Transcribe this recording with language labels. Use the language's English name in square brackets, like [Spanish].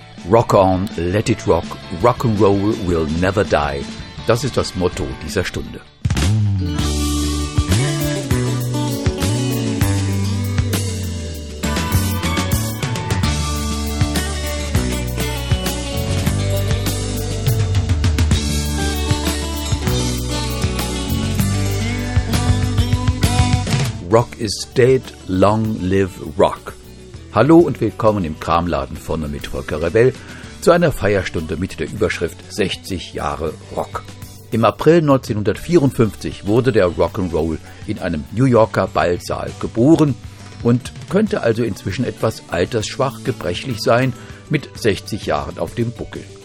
[English] Rock on, let it rock, rock and roll will never die. [German] Das ist das Motto dieser Stunde. [English] Rock is dead, long live rock. [German] Hallo und willkommen im Kramladen von und mit Volker Rebell zu einer Feierstunde mit der Überschrift 60 Jahre Rock. Im April 1954 wurde der Rock'n'Roll in einem New Yorker Ballsaal geboren und könnte also inzwischen etwas altersschwach, gebrechlich sein mit 60 Jahren auf dem Buckel.